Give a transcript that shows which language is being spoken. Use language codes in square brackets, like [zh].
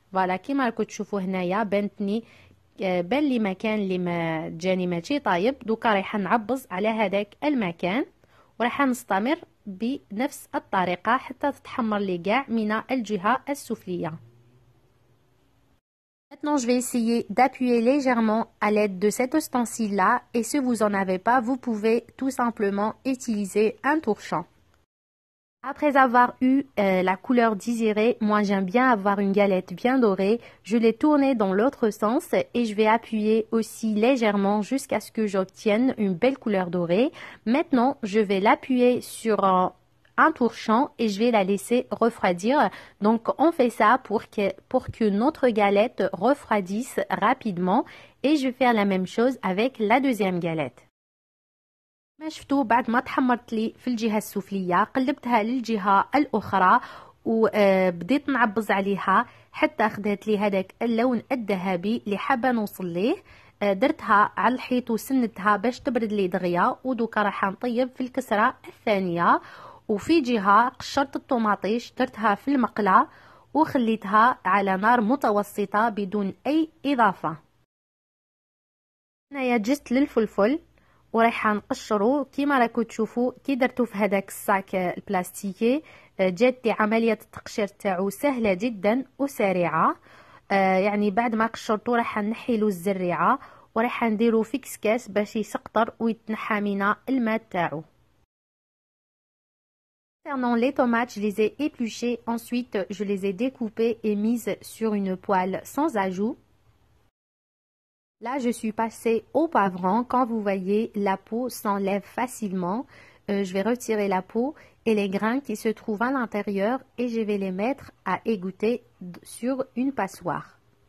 [ar] فوالا كيما راكو تشوفوا هنايا بانتني بان لي مكان اللي ما جاني ماشي طايب، دوكا رايحة نعبز على هذاك المكان وراح نستمر بنفس الطريقة حتى تتحمر لي كاع من الجهة السفلية. [fr] Maintenant, je vais essayer d'appuyer légèrement à l'aide de cet ustensile-là et si vous n'en avez pas, vous pouvez tout simplement utiliser un tourchon. Après avoir eu la couleur désirée, moi j'aime bien avoir une galette bien dorée. Je l'ai tournée dans l'autre sens et je vais appuyer aussi légèrement jusqu'à ce que j'obtienne une belle couleur dorée. Maintenant, je vais l'appuyer sur un tourchon et je vais la laisser refroidir. Donc on fait ça pour que notre galette refroidisse rapidement et je vais faire la même chose avec la deuxième galette. [ar] ما شفتو بعد ما تحمرت لي في الجهة السفلية قلبتها للجهة الأخرى وبديت نعبز عليها حتى أخذت لي هذاك اللون الذهبي اللي حابة نوصل ليه، درتها على الحيط وسندتها باش تبرد لي دغيا، ودوكا راح نطيب في الكسرة الثانية. وفي جهة قشرت الطوماطيش درتها في المقلة وخليتها على نار متوسطة بدون أي إضافة. هنايا جست للفلفل ورايحة نقشرو كيما راكو تشوفو، كي درتو في هداك الساك البلاستيكي جات عملية التقشير تاعو سهلة جدا وسريعة. يعني بعد ما قشرتو راح نحيلو الزريعة وراح نديرو في كسكاس باش يسقطر ويتنحى من الماء تاعو. [fr] Concernant les tomates, je les ai épluchées, ensuite je les ai découpées et mises sur une poêle sans ajout. Là, je suis passée au poivron. Quand vous voyez, la peau s'enlève facilement. Je vais retirer la peau et les grains qui se trouvent à l'intérieur et je vais les mettre à égoutter sur une passoire.